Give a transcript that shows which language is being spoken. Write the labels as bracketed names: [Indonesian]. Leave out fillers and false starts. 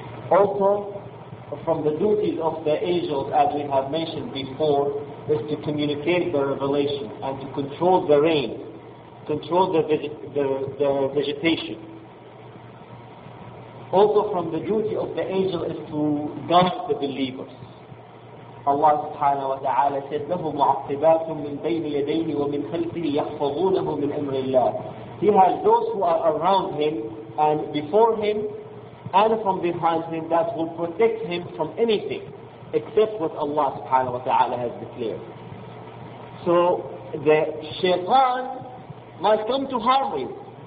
[English] Also, from the duties of the angels, as we have mentioned before, is to communicate the revelation and to control the rain, control the vegetation. Also, from the duty of the angel is to guard the believers. Allah subhanahu wa ta'ala said, [Arabic] لَهُ مُعَقِّبَاتٌ مِّن بَيْنِ يَدَيْهِ وَمِنْ خَلْفِهِ يَحْفَظُونَهُ مِنْ أَمْرِ اللَّهِ. [English] He has those who are around him and before him and from behind him that will protect him from anything except what Allah subhanahu wa ta'ala has declared. So the shaitan might come to harm you.